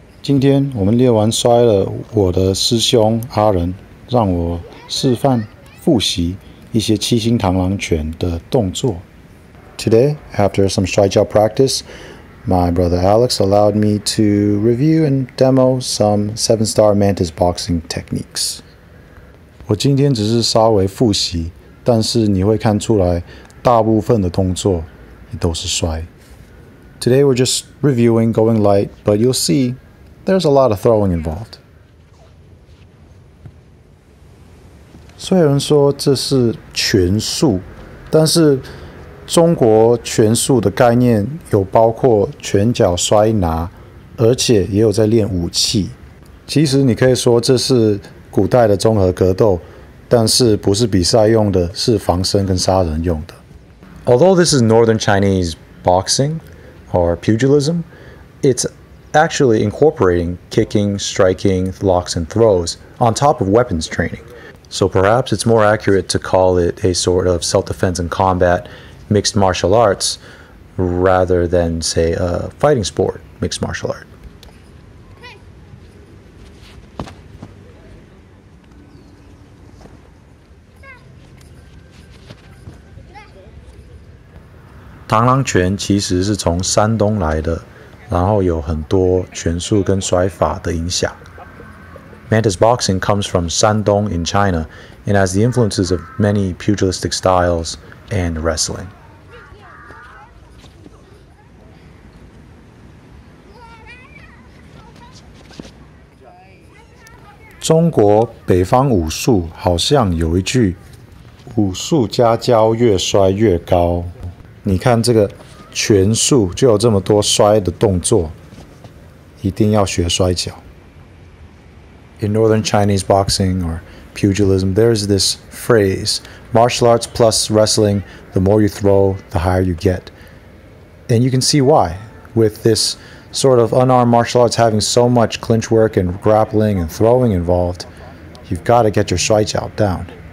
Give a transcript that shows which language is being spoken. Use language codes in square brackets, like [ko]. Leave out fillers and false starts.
[zh] 今天我们练完摔了，我的师兄阿仁让我示范复习一些七星螳螂拳的动作。 [en] Today, after some shuai jiao practice, my brother Alex allowed me to review and demo some 7-star mantis boxing techniques. [zh] 我今天只是稍微复习，但是你会看出来，大部分的动作都是摔。 [en] Today we're just reviewing going light, but you'll see there's a lot of throwing involved. [zh] 虽然说这是拳术，但是中国拳术的概念有包括拳脚摔拿，而且也有在练武器。其实你可以说这是古代的综合格斗，但是不是比赛用的，是防身跟杀人用的。 [en] Although this is Northern Chinese boxing or pugilism, it's actually incorporating kicking, striking, locks and throws on top of weapons training. So perhaps it's more accurate to call it a sort of self-defense and combat mixed martial arts rather than, say, a fighting sport mixed martial art. [zh] Tanglang Quan 其实是从山东来的，然后有很多拳术跟摔法的影响。 [en] Mantis boxing comes from Shandong in China and has the influences of many pugilistic styles and wrestling. [zh] 中国北方武术好像有一句，武术家教越摔越高。你看这个拳术就有这么多摔的动作，一定要学摔跤。 [en] In Northern Chinese boxing or pugilism, there is this phrase, martial arts plus wrestling, the more you throw, the higher you get. And you can see why, with this sort of unarmed martial arts having so much clinchwork and grappling and throwing involved, you've got to get your 摔跤 down.